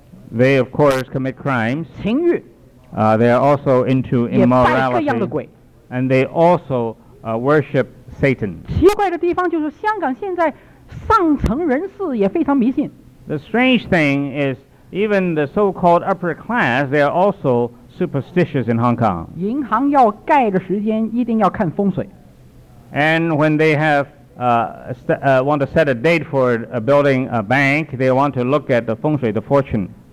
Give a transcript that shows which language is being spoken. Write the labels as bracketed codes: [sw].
[en] they of course commit crimes, [zh] 情欲, [en] they're also into immorality, and they also worship Satan. [zh] 奇怪的地方就是香港现在上层人士也非常迷信。 [en] The strange thing is, even the so-called upper class, they are also superstitious in Hong Kong. [zh] 银行要盖的时间一定要看风水。 [en] And when they have want to set a date for a building a bank, they want to look at the feng shui, the fortune.